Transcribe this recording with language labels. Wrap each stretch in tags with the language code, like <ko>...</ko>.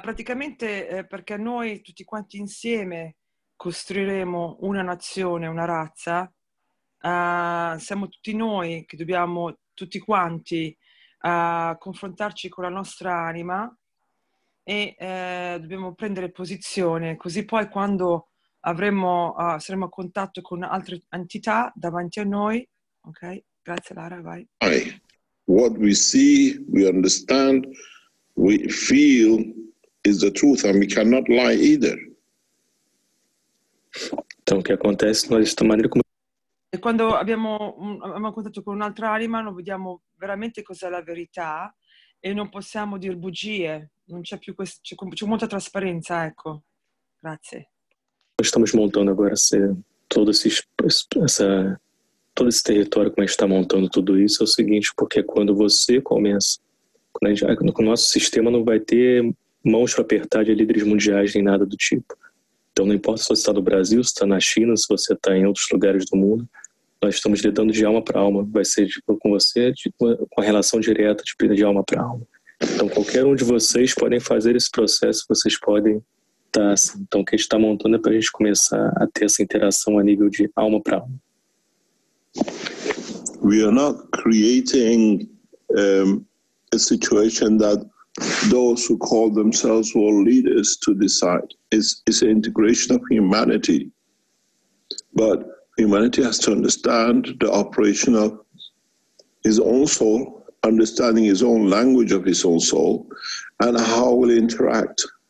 <it>Praticamente perché noi tutti quanti insieme costruiremo una nazione, una razza, siamo tutti noi che dobbiamo tutti quanti a confrontarci con la nostra anima e dobbiamo prendere posizione, così poi quando saremo a contatto con altre entità davanti a noi, ok? Grazie Lara, vai.</it> <en>What we see, we understand, we feel is the truth and we cannot lie either.</en> <pt>Então o</pt> <it>che</it> <pt>acontece</pt> <it>nella stessa maniera come e quando abbiamo contatto con un'altra anima, non vediamo veramente cos'è la verità e non possiamo dire bugie, non c'è più c'è molta trasparenza, ecco. Grazie. Stiamo montando ora tutto questo territorio, come sta montando tutto questo, è il seguente, perché quando</it> <pt>você começa,</pt> <it>con il nostro sistema non</it> <pt>vai ter mãos para apertar de líderes mundiais nem nada do tipo. Então, não importa se você está no Brasil, se está na China, se você está em outros lugares do mundo, nós estamos lidando de alma para alma. Vai ser tipo, com você, tipo, com a relação direta de alma para alma. Então, qualquer um de vocês podem fazer esse processo, vocês podem estar assim. Então, o que a gente está montando é para a gente começar a ter essa interação a nível de alma para alma.</pt> <en>We are not creating a situation that those who call themselves world leaders to decide. It's an integration of humanity. But humanity has to understand the operation of his own soul, understanding his own language of his own soul, and how will it interact</en>